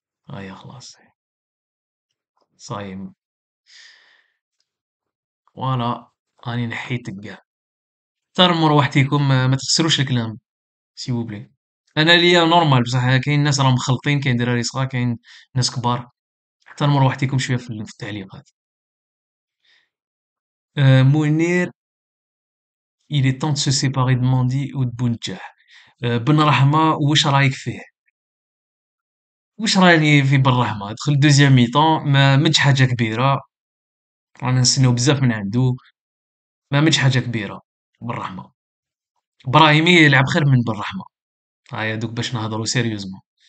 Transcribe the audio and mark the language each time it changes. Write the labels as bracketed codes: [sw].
[ar] هيا خلاص صايم وانا راني نحيتك كاع ترموا رواحتكم ما تخسروش الكلام سيبو بلي انا ليا نورمال بصح كاين ناس راهم مخلطين كاين دراري صغار كاين ناس كبار، احترموا رواحتكم شويه في التعليقات. منير [fr] il est temps de se séparer de Mandy ou de Bounedjah. [ar] Ben Rahma, واش رايك فيه؟ واش راني في بن رحمة؟ دخل دوزيام ميطون ما مش حاجة كبيرة، رانا نستناو بزاف من عندو، ما مش حاجة كبيرة. بن رحمة إبراهيمي يلعب خير من بن رحمة، هاي دوك باش نهضرو سيريوزمون.